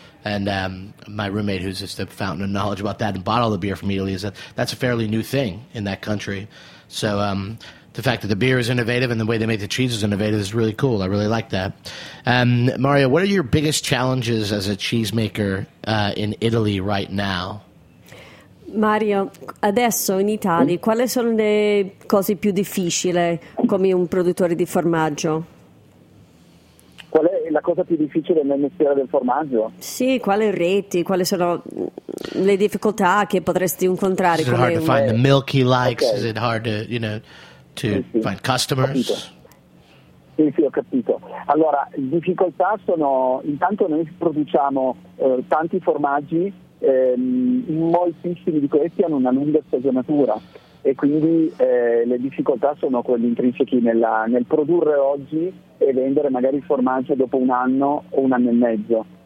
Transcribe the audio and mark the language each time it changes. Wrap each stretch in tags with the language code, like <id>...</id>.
<en>And my roommate, who's just a fountain of knowledge about that and bought all the beer from Italy, is that that's a fairly new thing in that country. So the fact that the beer is innovative and the way they make the cheese is innovative is really cool. I really like that. Mario, what are your biggest challenges as a cheesemaker in Italy right now?</en> <it>Mario, adesso in Italia, quali sono le cose più difficili come un produttore di formaggio? Qual è la cosa più difficile nel mestiere del formaggio? Sì, quali reti, quali sono le difficoltà che potresti incontrare?</it> <en>Is it hard to find the milk he likes? Okay. Is it hard to, you know, to find customers?</en> <it>Sì, ho capito. Allora, difficoltà sono, intanto noi produciamo tanti formaggi, moltissimi di questi hanno una lunga stagionatura e quindi le difficoltà sono quelle intrinseche nel produrre oggi e vendere magari il formaggio dopo un anno o un anno e mezzo.</it>